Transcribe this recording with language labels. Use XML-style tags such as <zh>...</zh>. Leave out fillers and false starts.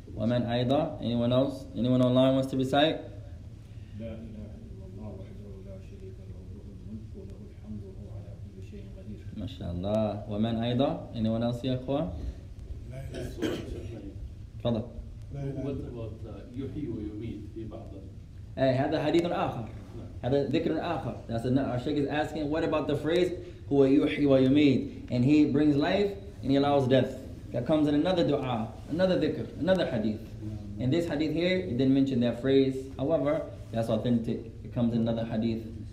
<ar>ومن أيضا؟</ar> <en>Anyone else? Anyone online wants to recite?</en> <ar>لا إله إلا الله وحده لا شريك له الملك وله الحمد وهو على كل شيء قدير. ما شاء الله. ومن أيضا؟</ar> <en>Anyone else</en> <ar>يا أخوة؟ لا إله إلا الله. تفضل.</ar> <en>What about</en> <ar>يحيي ويميت في بعض؟ أي هذا حديث آخر. هذا ذكر آخر.</ar> <en>That's another. Sheikh is asking, what about the phrase</en> <ar>هو يحيي ويميت?</ar> <en>And he brings life and he allows death. That comes in another du'a, another ذكر, another hadith. And this hadith here, it didn't mention that phrase. However, that's authentic. It comes in another hadith.</en>